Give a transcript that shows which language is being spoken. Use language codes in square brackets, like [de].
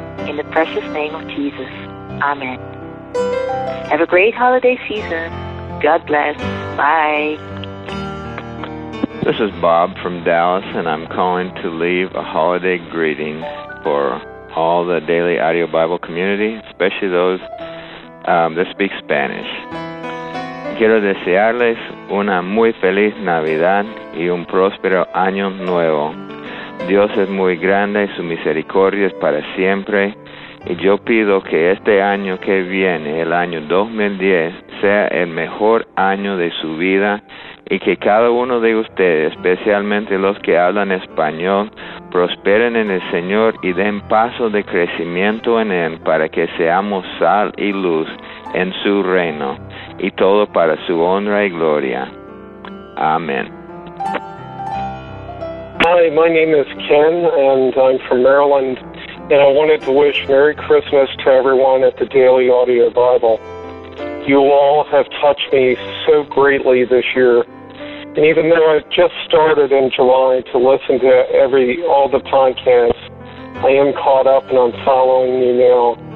[en] In the precious name of Jesus, amen. Have a great holiday season. God bless. Bye. This is Bob from Dallas, and I'm calling to leave a holiday greeting for all the Daily Audio Bible community, especially those that speak Spanish. [es] Quiero desearles una muy feliz Navidad y un próspero año nuevo. Dios es muy grande y su misericordia es para siempre. Y yo pido que este año que viene, el año 2010, sea el mejor año de su vida. Y que cada uno de ustedes, especialmente los que hablan español, prosperen en el Señor y den paso de crecimiento en Él para que seamos sal y luz en su reino. Y todo para su honra y gloria. Amén. [en] Hi, my name is Ken, and I'm from Maryland, and I wanted to wish Merry Christmas to everyone at the Daily Audio Bible. You all have touched me so greatly this year, and even though I just started in July to listen to all the podcasts, I am caught up and I'm following you now.